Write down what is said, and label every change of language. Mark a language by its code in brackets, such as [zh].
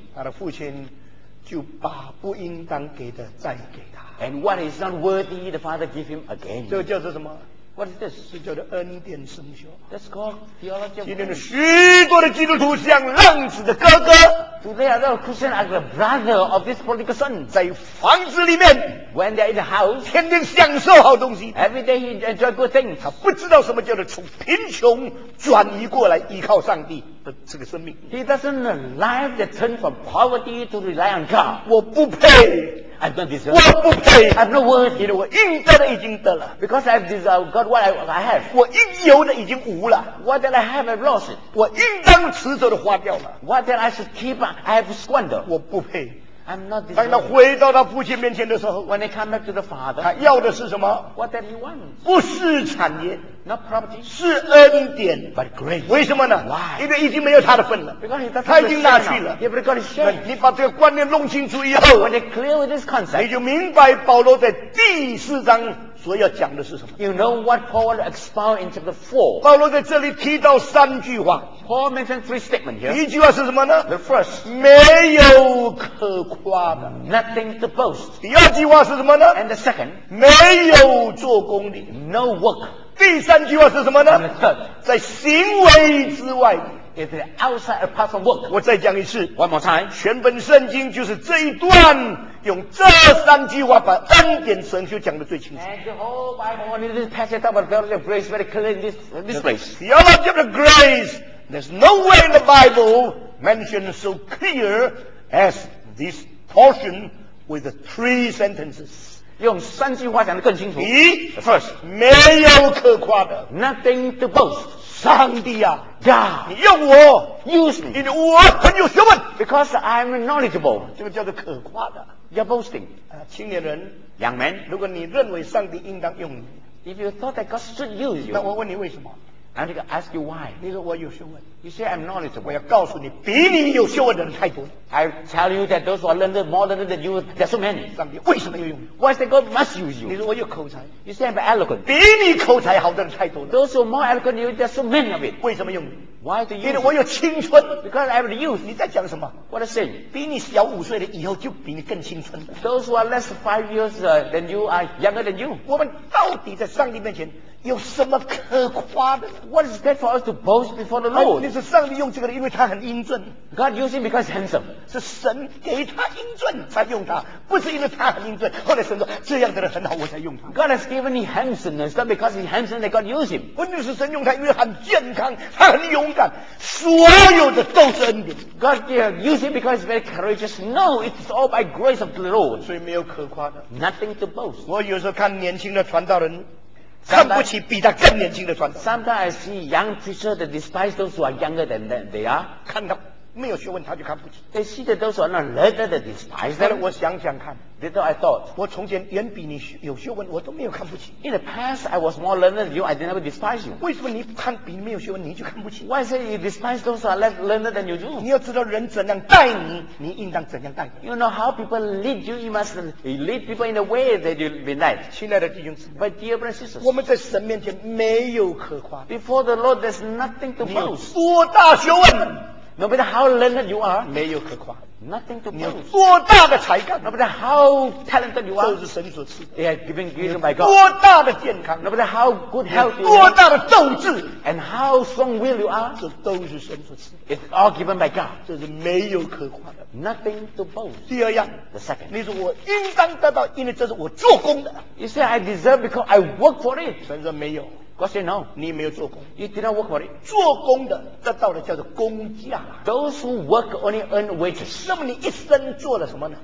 [zh] 他的父亲就把不应当给的再给他。 [en] And what is not worthy, the father give him again. [zh] 这叫做什么？ [en] What is this? [zh] 这叫做恩典神学。 [en] That's called theology. [zh] 今天的许多的基督徒像浪子的哥哥。 [en] Today, a lot of Christians are the brother of this prodigal son. [zh] 在房子里面。 [en] When they're in the house. [zh] 天天享受好东西。 [en] Every day he enjoy good things. [zh] 他不知道什么叫做从贫穷转移过来依靠上帝的这个生命。 [en] He doesn't know life that turned from poverty to rely on God. [zh] 我不配。 [en] I don't deserve. [zh] 我不配。 [en] I'm not worthy. [zh] 我应得的已经得了。 [en] Because I've deserved God what I have. [zh] 我应有的已经无了。 [en] What that I have, I've lost it. [zh] 我应当持守的花掉了。 [en] What that I should keep, I have squandered. [zh] 我不配。 [en] I'm not deserving. [zh] 当他回到他父亲面前的时候 [en] ，When he come back to the father, [zh] 他要的是什么 [en] ？What that he wants? [zh] 不是产业。 [en] Not property, [zh] 是恩典 [en] but grace. [zh] 为什么呢 [en] Why? [zh] 因为已经没有他的份了 [en] Because [zh] 他已经拿去了 你把这个观念弄清楚以后 [en] When you're clear with this concept, [zh] 你就明白保罗在第四章所要讲的是什么 [en] You know what Paul expounds in chapter 4 [zh] 保罗在这里提到三句话 [en] Paul mentioned three statements here [zh] 第一句话是什么呢 [en] The first [zh] 没有可夸的 [en] Nothing to boast [zh] 第二句话是什么呢 [en] And the second [zh] 没有做工的 [en] No work [zh] 第三句话是什么呢 [en] third, [zh] 在行为之外 [en] If the outside apart from work [zh] 我再讲一次 [en] One more time [zh] 全本圣经就是这一段用这三句话把恩典神学讲得最清楚 [en] And the whole Bible this passage talks about the theology of grace very clearly in this place The theology of grace There's no way in the Bible mentioned so clear as this portion with the three sentences [zh] 用三句话讲得更清楚。一 [en] ，first， [zh] 没有可夸的 [en] ，nothing to boast。 [zh] 上帝啊 [en] ，God， [zh] 你用我 [en] ，use me， [zh] 因为我很有学问 [en] ，because I'm knowledgeable。 [zh] 这个叫做可夸的 [en] ，you're boasting。 [zh] 青年人 [en] ，young man， [zh] 如果你认为上帝应当用你 [en] ，if you thought that God should use you， [zh] 那我问你为什么？ [en] I'm going to ask you why. [zh] 你说我有学问。 [en] You say I'm knowledgeable. [zh] 我要告诉你，比你有学问的人太多。 [en] I tell you that those who are learned more learned than you, there's so many. [zh] 上帝为什么要用你 [en] ？Why is that God must use you? [zh] 你说我有口才。 [en] You say I'm eloquent. [zh] 比你口才好的人太多了。 [en] Those who are more eloquent than you, there's so many of it. [zh] 为什么用你 [en] ？Why do you? [zh] 因为我有青春。 [en] Because I have the youth. [zh] 你在讲什么 [en] ？What I say? [zh] 比你小五岁的以后就比你更青春。 [en] Those who are less 5 years than you are younger than you. [zh] 我们到底在上帝面前？有什么可夸的？ [en] What is that for us to boast before the Lord? [zh] 你是上帝用这个人，因为他很英俊。 [en] God used him because handsome. [zh] 是神给他英俊才用他，不是因为他很英俊。后来神说这样的人很好，我才用他。 [en] God has given him handsomeness, not because he's handsome that God used him. [zh] 不就是神用他，因为很健康，他很勇敢，所有的都是恩典。 [en] God used him because he's very courageous. No, it's all by grace of the Lord. [zh] 所以没有可夸的。 [en] Nothing to boast. [zh] 我有时候看年轻的传道人。看不起比他更年轻的传道。 [en] Sometimes I see young preachers that despise those who are younger than them, they are. [zh] 看他没有学问，他就看不起。 [en] They see that those who are not learned that despise them. [zh] 我想想看。 [en] They thought I thought. [zh] 我从前远比你有学问，我都没有看不起。 [en] In the past, I was more learned than you. I never despise you. [zh] 为什么你看比你没有学问，你就看不起 [en] ？Why say you despise those who are less learned than you do? [zh] 你要知道人怎样待你，你应当怎样待你。 [en] You know how people lead you, you must lead people in a way that you be led. [zh] 亲爱的弟兄姊妹 [en] ，But dear brothers and sisters, [zh] 我们在神面前没有可夸。 [en] Before the Lord, there's nothing to boast. [zh] 你有多大学问？ [en] No matter how learned you are, [zh] 没有可夸。 [en] Nothing to boast. [zh] 你有多大的才干 [en] ？No matter how talented you are, [zh] 都是神所赐的。 [en] They are given given by God. [zh] 多大的健康 [en] ？No matter how good health you are, [zh] 多大的斗志 [en] ？And how strong will you are, [zh] 这都是神所赐的。 [en] It's all given by God. [zh] 这是没有可夸的。 [en] Nothing to boast. [zh] 第二样 [en] ，The second. [zh] 你说我应当得到，因为这是我做工的。 [en] You say I deserve because I work for it. [zh] 神说没有。 [en] God said no. [zh] 你没有做工。 [en] You did not work for it. [zh] 做工的得到的叫做工价。 [en] Those who work only earn wages. [zh] 那么你一生做了什么呢